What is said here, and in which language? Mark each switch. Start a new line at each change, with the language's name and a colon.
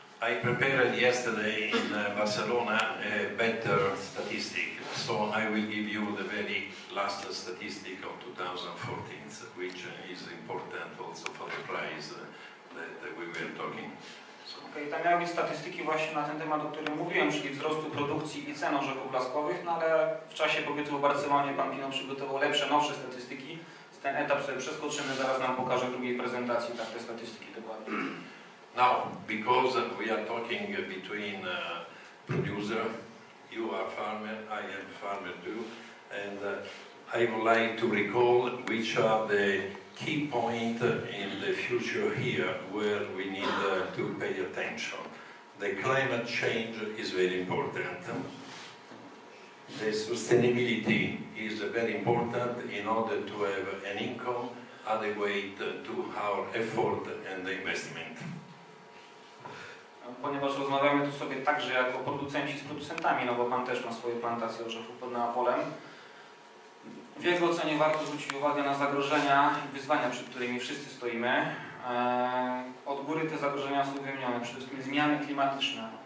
English: I prepared yesterday in Barcelona a better statistic, so I will give you the very last statistic of 2014, which is important also for the prize that we were talking. So.
Polish: Okay, tam miały być statystyki właśnie na ten temat, o którym mówiłem, czyli wzrostu produkcji i cen orzechów blaskowych, no ale w czasie pobytu w Barcelonie pan Pino przygotował lepsze, nowsze statystyki. Z ten etap sobie przeskoczymy, zaraz nam pokażę w drugiej prezentacji tak te statystyki dokładnie.
English: Now, because we are talking between producer, you are farmer, I am farmer too, and I would like to recall which are the key points in the future here where we need to pay attention. The climate change is very important. The sustainability is very important in order to have an income adequate to our effort and the investment.
Polish: Ponieważ rozmawiamy tu sobie także jako producenci z producentami, no bo pan też ma swoje plantacje orzechów pod Neapolem. W jego ocenie warto zwrócić uwagę na zagrożenia i wyzwania, przed którymi wszyscy stoimy. Od góry te zagrożenia są wymienione, przede wszystkim zmiany klimatyczne.